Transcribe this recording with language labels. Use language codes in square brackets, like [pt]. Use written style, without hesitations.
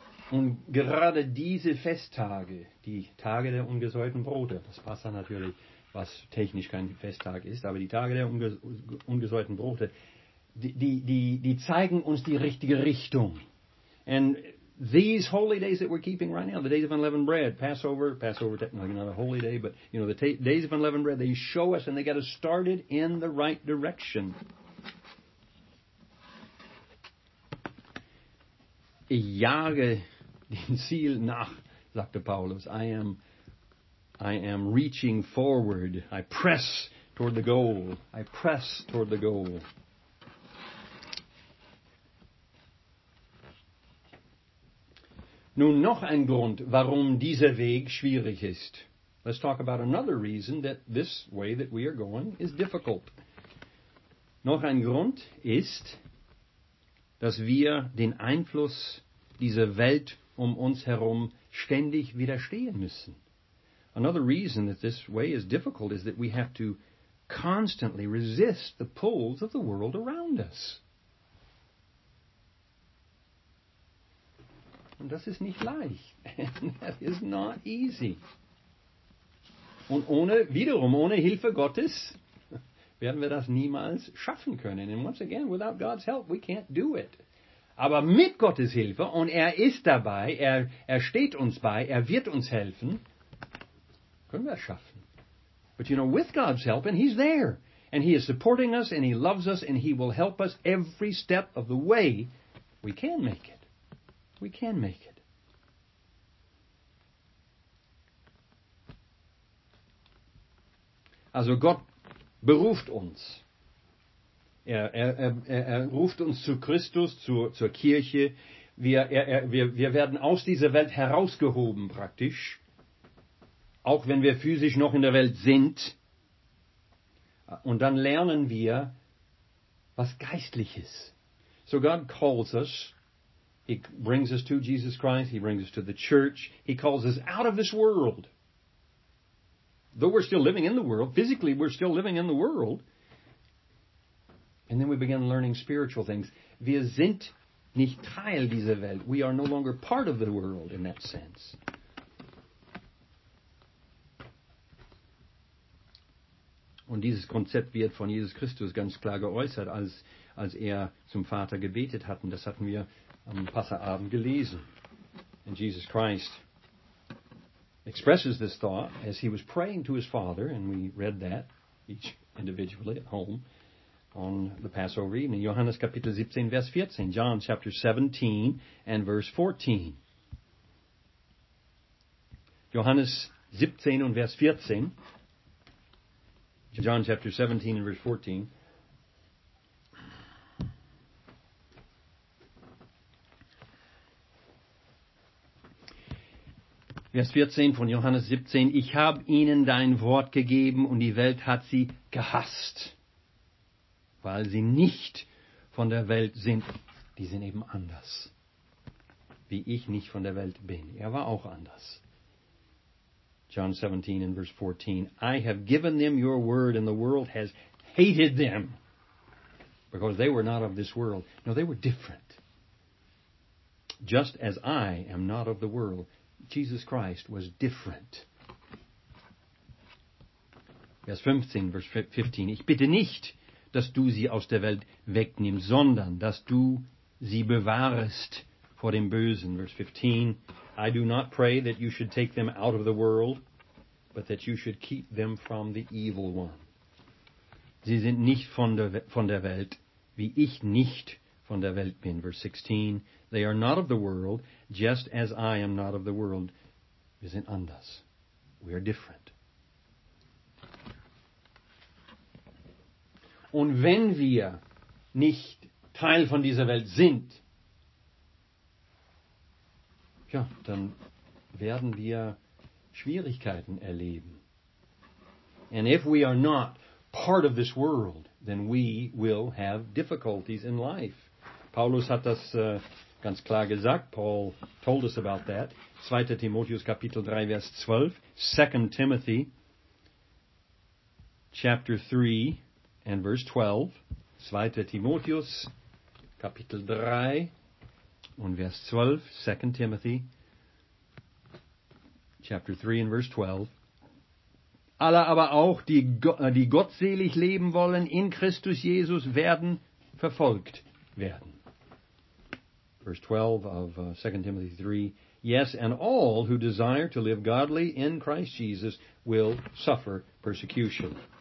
[de] Und gerade diese Festtage, die Tage der ungesäuerten Brote, das passt dann natürlich, was technisch kein Festtag ist, aber die Tage der ungesäuerten Brote, die zeigen uns die richtige Richtung. [en] And these holy days that we're keeping right now, the days of unleavened bread, Passover, technically not a holy day, but you know, the days of unleavened bread, they show us and they get us started in the right direction. [de] Ich jage den Ziel nach, sagte Paulus. [en] I am reaching forward. I press toward the goal. I press toward the goal. [de] Nun noch ein Grund, warum dieser Weg schwierig ist. [en] Let's talk about another reason that this way that we are going is difficult. [de] Noch ein Grund ist, dass wir den Einfluss dieser Welt um uns herum ständig widerstehen müssen. [en] Another reason that this way is difficult is that we have to constantly resist the pulls of the world around us. [de] Und das ist nicht leicht. [en] And that is not easy. [de] Und ohne Hilfe Gottes, werden wir das niemals schaffen können. [en] And once again, without God's help, we can't do it. [de] Aber mit Gottes Hilfe, und er ist dabei, er steht uns bei, er wird uns helfen, können wir es schaffen. [en] But you know, with God's help, and he's there. And he is supporting us, and he loves us, and he will help us every step of the way. We can make it. We can make it. [de] Also Gott beruft uns. Er ruft uns zu Christus, zur Kirche. Wir werden aus dieser Welt herausgehoben praktisch, auch wenn wir physisch noch in der Welt sind. Und dann lernen wir was Geistliches. [en] So God calls us. He brings us to Jesus Christ. He brings us to the church. He calls us out of this world. Though we're still living in the world, physically we're still living in the world. And then we begin learning spiritual things. [de] Wir sind nicht Teil dieser Welt. [en] We are no longer part of the world in that sense. [de] Und dieses Konzept wird von Jesus Christus ganz klar geäußert, als er zum Vater gebetet hat. Und das hatten wir am Passahabend gelesen. [en] And Jesus Christ expresses this thought as he was praying to his Father, and we read that each individually at home on the Passover evening. [de] Johannes Kapitel 17, Vers 14. [en] John chapter 17 and verse 14. [de] Johannes 17 und Vers 14. [en] John chapter 17 and verse 14. [de] Vers 14 von Johannes 17. Ich habe ihnen dein Wort gegeben und die Welt hat sie gehasst, weil sie nicht von der Welt sind. Die sind eben anders, wie ich nicht von der Welt bin. Er war auch anders. [en] John 17 and verse 14. I have given them your word and the world has hated them because they were not of this world. No, they were different. Just as I am not of the world, Jesus Christ was different. [de] Vers 15, verse 15. Ich bitte nicht, dass du sie aus der Welt wegnimmst, sondern dass du sie bewahrest vor dem Bösen. [en] Verse 15. I do not pray that you should take them out of the world, but that you should keep them from the evil one. [de] Sie sind nicht von der Welt, wie ich nicht von der Welt bin. [en] Verse 16. They are not of the world, just as I am not of the world. [de] Wir sind anders. [en] We are different. [de] Und wenn wir nicht Teil von dieser Welt sind, ja, dann werden wir Schwierigkeiten erleben. [en] And if we are not part of this world, then we will have difficulties in life. [de] Paulus hat das ganz klar gesagt. [en] Paul told us about that. [de] 2. Timotheus Kapitel 3, Vers 12. [en] 2. Timothy Chapter 3 and Verse 12. 2. [de] Timotheus Kapitel 3 und Vers 12. 2. [en] Timothy Chapter 3 and Verse 12. [de] Alle aber auch, die gottselig leben wollen in Christus Jesus, werden verfolgt werden. [en] Verse 12 of 2 Timothy 3. Yes, and all who desire to live godly in Christ Jesus will suffer persecution.